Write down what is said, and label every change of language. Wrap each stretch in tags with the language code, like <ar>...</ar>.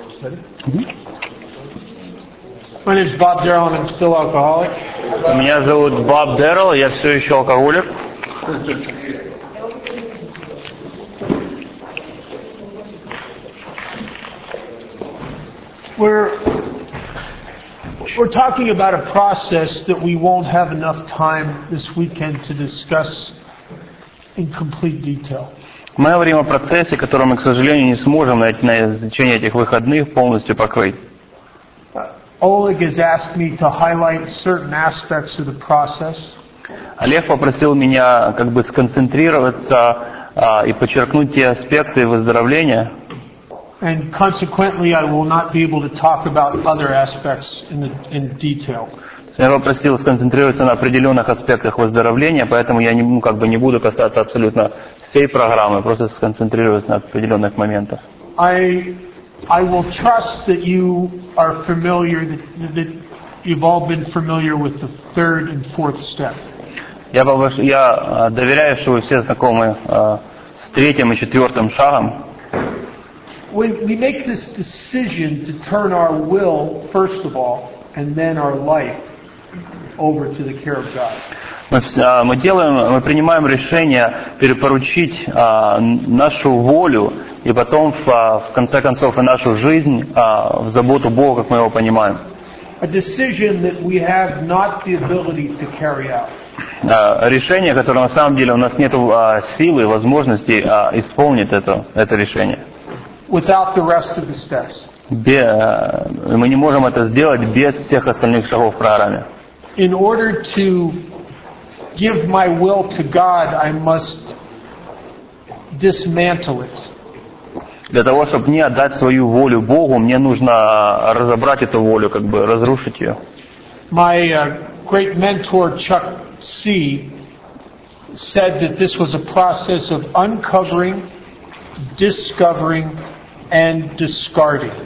<en>My name is Bob Darrell, and I'm still alcoholic.</en> <ru>Меня зовут Боб Дэрролл, я все еще алкоголик.</ru> <en>We're talking about a process that we won't have enough time this weekend to discuss in complete detail.</en> <ru>Мы говорим о процессе, который мы, к сожалению, не сможем на течение этих выходных полностью покрыть.</ru> <en>Oleg has asked me to highlight certain aspects of the process.</en> <ru>Олег попросил меня как бы сконцентрироваться и подчеркнуть те аспекты выздоровления.</ru> <en>And consequently, I will not be able to talk about other aspects in detail.</en> <ru>Я его просил сконцентрироваться на определенных аспектах выздоровления, поэтому я не буду касаться абсолютно всей программы, просто сконцентрироваться на определенных моментах.</ru> <en>I will trust that you are familiar, that you've all been familiar with the third and fourth step.</en> <ru>Я доверяю, что вы все знакомы с третьим и четвертым шагом.</ru> <en>When we make this decision to turn our will, first of all, and then our life, over to the care of God.</en> <ru>Мы принимаем решение перепоручить нашу волю и потом в конце концов и нашу жизнь в заботу Бога, как мы его понимаем.</ru> <en>A decision that we have not the ability to carry out.</en> <ru>Решение, которое на самом деле у нас нет силы и возможности исполнить это решение.</ru> <en>Without the rest of the steps.</en> <ru>Мы не можем это сделать без всех остальных шагов в программе.</ru> <en>In order to give my will to God, I must dismantle it.</en> <ru>Для того, чтобы мне отдать свою волю Богу, мне нужно разобрать эту волю, как бы разрушить ее.</ru> <en>My great mentor Chuck C. said that this was a process of uncovering, discovering, and discarding.</en>